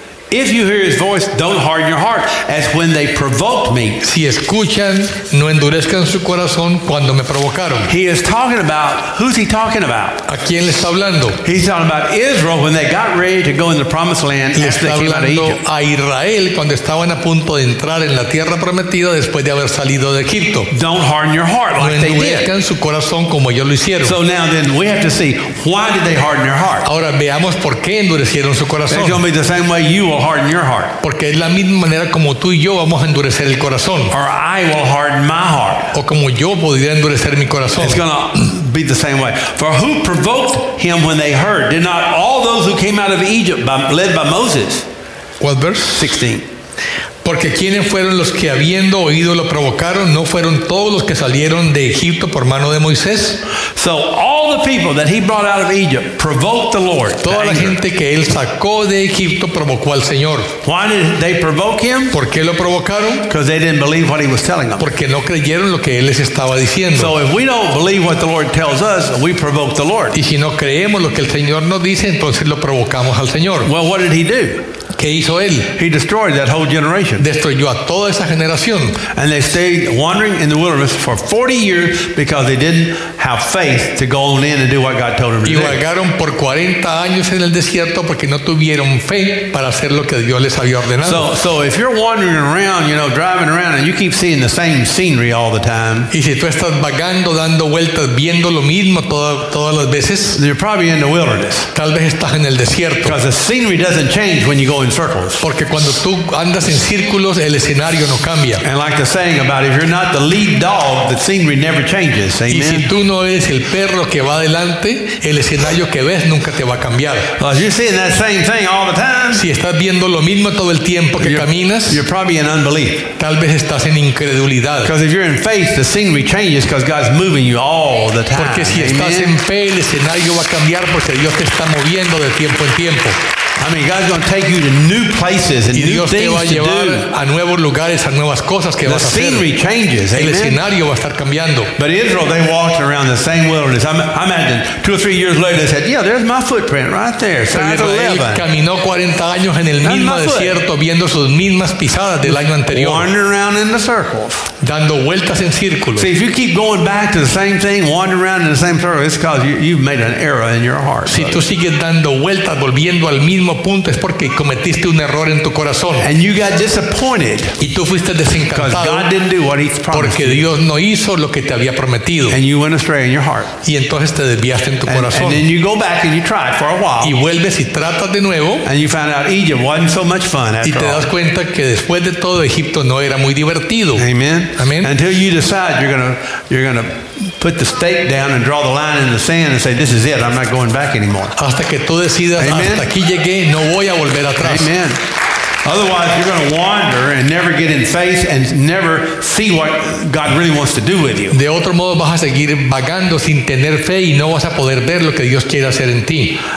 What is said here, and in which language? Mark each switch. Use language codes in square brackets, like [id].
[en] if you hear his voice, don't harden your heart, as when they provoked me." [es] Si escuchan, no endurezcan su corazón cuando me provocaron. [en] He is talking about, who's he talking about? [es] ¿A quién le está hablando? [en] He's talking about Israel when they got ready to go in the promised land after they came out of Egypt. [es] Está hablando a Israel cuando estaban a punto de entrar en la tierra prometida después de haber salido de Egipto. [en] Don't harden your heart like they did. [es] No endurezcan su corazón como ellos lo hicieron. [en] So now then we have to see, why did they harden their heart? [es] Ahora veamos por qué endurecieron su corazón. [en] It's going to be the same way you are. Harden your heart. [es] Porque es la misma manera como tú y yo vamos a endurecer el corazón. [en] Or I will harden my heart. [es] O como yo podría endurecer mi corazón. [en] It's gonna be the same way. For who provoked him when they heard? Did not all those who came out of Egypt led by Moses? What verse? 16. [es] Porque quienes fueron los que habiendo oído lo provocaron, no fueron todos los que salieron de Egipto por mano de Moisés. [en] So all the people that he brought out of Egypt provoked the Lord. [es] Toda la gente que él sacó de Egipto provocó al Señor. [en] Why did they provoke him? [es] ¿Por qué lo provocaron? [en] Because they didn't believe what he was telling them. [es] Porque no creyeron lo que él les estaba diciendo. [en] So if we don't believe what the Lord tells us, we provoke the Lord. [es] Y si no creemos lo que el Señor nos dice, entonces lo provocamos al Señor. [en] Well, what did he do? [es] ¿Qué hizo él? [en] He destroyed that whole generation. [es] Destruyó a toda esa generación. [en] And they stayed wandering in the wilderness for 40 years because they didn't have faith to go on in and do what God told them to do. [es] Y vagaron por 40 años en el desierto porque no tuvieron fe para hacer lo que Dios les había ordenado. [en] So if you're wandering around, you know, driving around and you keep seeing the same scenery all the time. [es] Y si tú estás vagando, dando vueltas, viendo lo mismo todas las veces. [en] You're probably in the wilderness. [es] Tal vez estás en el desierto. [en] Because the scenery doesn't change when you go in circles. [es] Porque cuando tú andas en círculos, el escenario no cambia. [en] And like the saying about, if you're not the lead dog, the scenery never changes. Amen. [es] Y si tú no eres el perro que va adelante, el escenario que ves nunca te va a cambiar. [en] Well, you're seeing that same thing all the time. [es] Si estás viendo lo mismo todo el tiempo que caminas, [en] you're probably in unbelief. [es] Tal vez estás en incredulidad. [en] Because if you're in faith, the scenery changes because God's moving you all the time. [es] Porque si Amen. Estás en fe, el escenario va a cambiar porque Dios te está moviendo de tiempo en tiempo. [en] I mean, God's going to take you to new places and new things to do. [es] A nuevos lugares, a nuevas cosas que [en] the [es] vas [en] scenery [es] hacer. [en] Changes. [es] El amen. Escenario va a estar cambiando. [en] But Israel, they walked around the same wilderness. I imagine 2 or 3 years later, they said, yeah, there's my footprint right there. So [es] Israel caminó 40 años en el mismo desierto viendo sus mismas pisadas del año anterior. [en] Wandering around in the circles. [es] Dando vueltas en círculos. [en] See, if you keep going back to the same thing, wandering around in the same circle, it's because you've made an error in your heart. [es] Si tú sigues dando vueltas, volviendo al mismo punto, es porque cometiste un error en tu corazón. [en] And you got disappointed. [es] Y tú fuiste desencantado. [en] Because God didn't do what he promised. [es] Porque Dios no hizo lo que te había prometido. [en] And you went astray in your heart. [es] Y entonces te desviaste en tu corazón. [en] And then you go back and you try for a while. [es] Y vuelves y tratas de nuevo. [en] And you found out Egypt wasn't so much fun after all. [es] Y te das cuenta que después de todo Egipto no era muy divertido. Amen. Amen. [en] Until you decide you're gonna put the stake down and draw the line in the sand and say, this is it, I'm not going back anymore. [es] Hasta que tú decidas, amen. Hasta aquí llegué, no voy a volver atrás. Amen. [en] Otherwise, you're going to wander and never get in faith and never see what God really wants to do with you. [es] De otro modo, vas a seguir vagando sin tener fe y no vas a poder ver lo que Dios quiere hacer en ti.